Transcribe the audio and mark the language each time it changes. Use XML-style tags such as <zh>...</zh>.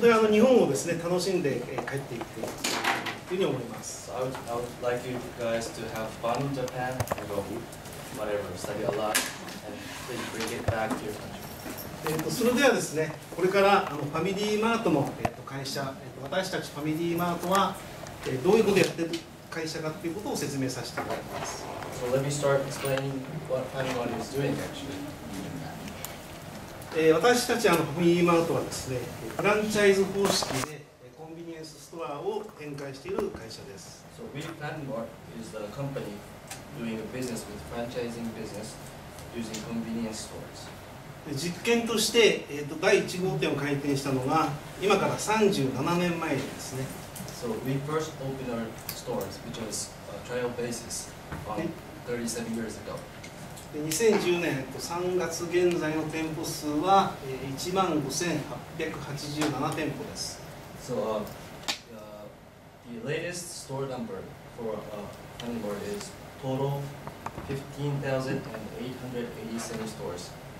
<ja>日本をですね、楽しんで帰っていくというふうに思います。</ja> <en>So I would like you guys to have fun in Japan, and go whatever, study a lot, and please bring it back to your country.</en> <ja>それではですね、これからファミリーマートの会社、私たちファミリーマートはどういうことをやっている会社かということを説明させていただきます。</ja> <en>So let me start explaining what Family Mart is doing actually.</en> <ja>私たちファミリーマートはですね、フランチャイズ方式でコンビニエンスストアを展開している会社です。</ja> <en>So we Family Mart is the company doing a business with franchising business using convenience stores.</en> <ja>実験として、第1号店を開店したのが今から37年前ですね。</ja> <en>So we first opened our stores, which was a trial basis, about 37 years ago.</en> <ja>2010年3月現在の店舗数は15,887 店舗です。</ja> <en>So the latest store number for Family Mart is total 15,887 stores.</en>